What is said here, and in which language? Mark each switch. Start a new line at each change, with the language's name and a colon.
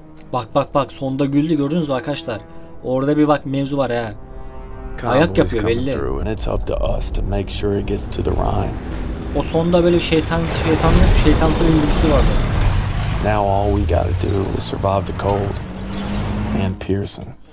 Turkish: Bak bak bak, sonda güldü, gördünüz mü arkadaşlar? Orada bir bak mevzu var ha. Ayak yapıyor belli.
English: It's up to us to make sure it gets to the Rhine.
Turkish: O sonda böyle bir şeytansı bir güçlü vardı.
English: Now all we gotta do is survive the cold and Pearson.